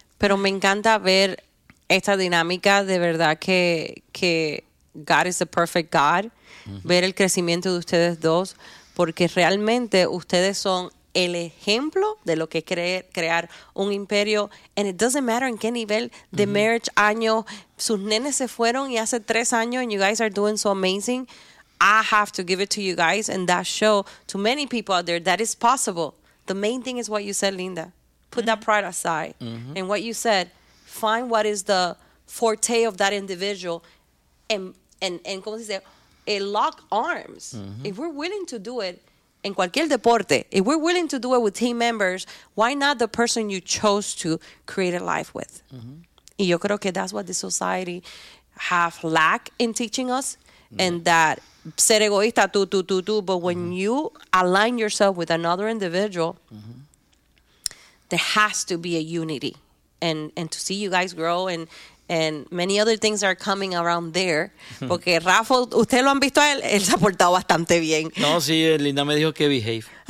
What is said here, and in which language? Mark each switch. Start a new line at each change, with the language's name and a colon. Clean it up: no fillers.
Spanish: Pero me encanta ver esta dinámica, de verdad que
English: God is the perfect God.
Spanish: Mm-hmm. Ver el crecimiento de ustedes dos, porque realmente ustedes son el ejemplo de lo que es crear un imperio.
English: And it doesn't matter
Spanish: en qué nivel de mm-hmm. marriage, año, sus nenes se fueron y hace 3 años
English: and you guys are doing so amazing. I have to give it to you guys and that show to many people out there that is possible. The main thing is what you said, Linda. Put mm-hmm. that pride aside. Mm-hmm. And what you said, find what is the forte of that individual and
Spanish: ¿cómo se dice?
English: And lock arms. Mm-hmm. If we're willing to do it
Spanish: en cualquier deporte,
English: if we're willing to do it with team members, why not the person you chose to create a life with? Mm-hmm.
Spanish: Y yo creo que
English: that's what the society have lacked in teaching us. Mm-hmm. And that
Spanish: ser egoísta, tú.
English: But when mm-hmm. you align yourself with another individual, mm-hmm. there has to be a unity. And to see you guys grow and many other things are coming around there.
Spanish: Porque Rafa, ustedes lo han visto a él, él se ha portado bastante bien. No, sí, Linda me dijo que behave.